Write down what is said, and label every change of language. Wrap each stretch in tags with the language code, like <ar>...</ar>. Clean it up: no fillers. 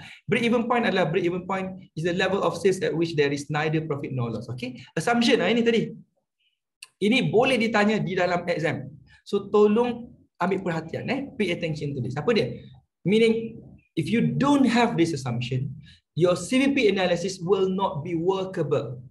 <en>Break even point is the level of sales at which there is neither profit nor loss.</en> <ms>Okay, assumption lah ini tadi. Ini boleh ditanya di dalam exam. So tolong ambil perhatian.</ms> <en>Pay attention to this.</en> <ms>Apa dia?</ms> <en>Meaning, if you don't have this assumption, your CVP analysis will not be workable.</en>